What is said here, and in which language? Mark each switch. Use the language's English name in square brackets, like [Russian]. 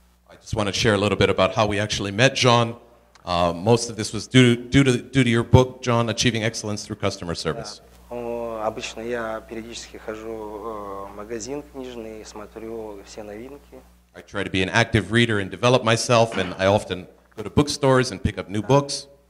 [English] I just want to share a little bit about how we actually met John. Most of this was due to your book, John, Achieving Excellence Through Customer Service. [Russian] Обычно я периодически хожу в магазин книжный и смотрю все новинки. [English] I try to be an active reader and develop myself, and I often go to bookstores and pick up new books.